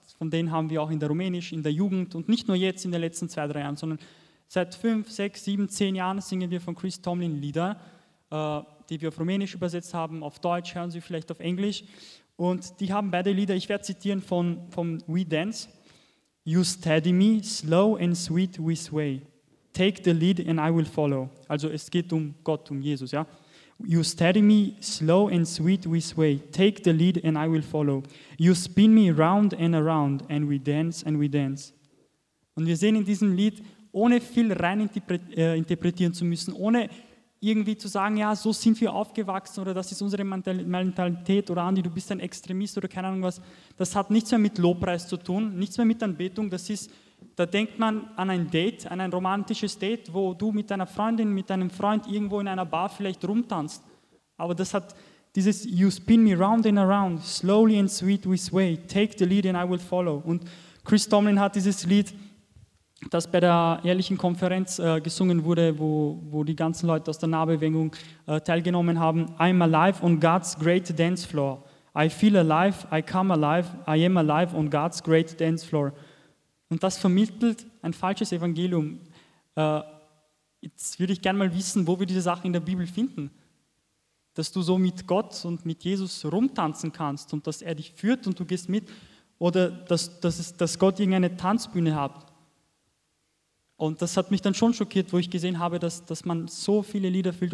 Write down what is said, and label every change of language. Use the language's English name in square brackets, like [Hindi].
[German] Von denen haben wir auch in der Rumänisch, in der Jugend und nicht nur jetzt in den letzten 2-3 Jahren, sondern seit 5, 6, 7, 10 Jahren singen wir von Chris Tomlin Lieder, die wir auf Rumänisch übersetzt haben, auf Deutsch, hören Sie vielleicht auf Englisch. Und die haben beide Lieder, ich werde zitieren vom We Dance. [English] You steady me, slow and sweet we sway. Take the lead and I will follow. [German] Also es geht um Gott, um Jesus, ja. [English] You steady me, slow and sweet we sway. Take the lead and I will follow. You spin me round and around and we dance. [German] Und wir sehen in diesem Lied, ohne viel rein interpretieren zu müssen, ohne irgendwie zu sagen, ja, so sind wir aufgewachsen oder das ist unsere Mentalität oder Andi, du bist ein Extremist oder keine Ahnung was. Das hat nichts mehr mit Lobpreis zu tun, nichts mehr mit Anbetung. Das ist, da denkt man an ein Date, an ein romantisches Date, wo du mit deiner Freundin, mit deinem Freund irgendwo in einer Bar vielleicht rumtanzt. Aber das hat dieses [English] You spin me round and around, slowly and sweet we sway, take the lead and I will follow. [German] Und Chris Tomlin hat dieses Lied, das bei der jährlichen Konferenz gesungen wurde, wo die ganzen Leute aus der Nahbewegung teilgenommen haben. [English] I'm alive on God's great dance floor. I feel alive, I come alive, I am alive on God's great dance floor. [German] Und das vermittelt ein falsches Evangelium. Jetzt würde ich gerne mal wissen, wo wir diese Sachen in der Bibel finden. Dass du so mit Gott und mit Jesus rumtanzen kannst und dass er dich führt und du gehst mit. Oder dass Gott irgendeine Tanzbühne hat. Und das hat mich dann schon schockiert, wo ich gesehen habe, dass man so viele Lieder fühlt.